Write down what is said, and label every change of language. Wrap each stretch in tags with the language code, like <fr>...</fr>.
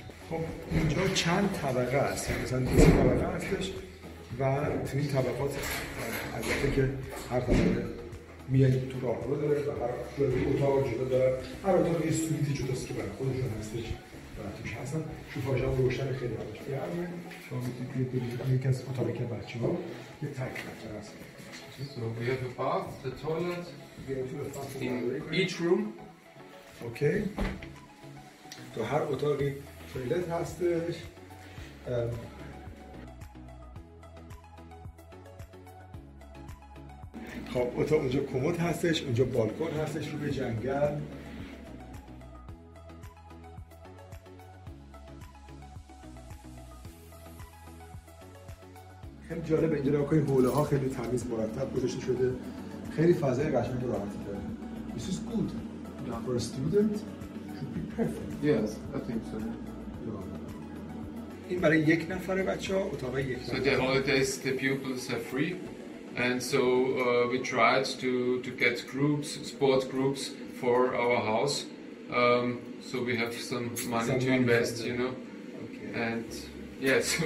<fa>خب اینجا چند طبقه هست، مثلا دو طبقه هستش و تو این طبقات البته که هر طبقه میاد تو راه رو داره و هر اتاق جدا داره، هر اتاق یه سویتی جداست که برای خودشون هستش و توش هستن. شوفاژ هم روشن خیلی همش گرمه، شما میتونید یکی از اتاقی که بچه ها یه تک رفتر هست.</fa> <en>So we have a bath, the toilet, in each room.</en> <fa>Okay. تو هر اتاقی فیلت هستش. خب اتاق اونجا کمد هستش، اونجا بالکن هستش رو به جنگل. خیلی جالبه اینجا که حوله ها خیلی تمیز مرتب گذاشته شده، خیلی فضای قشنگ و راحتی داره.</fa> <en>This is good. Yeah. For a student, should be perfect. Yes, I think so.</en> <fa>این برای یک نفره بچه ها، اتاقه یک نفره.</fa> <en>So the holidays, the pupils are free. And so we tried to get groups, sport groups for our house. So we have some money to invest, you know. Okay. And yes.</en>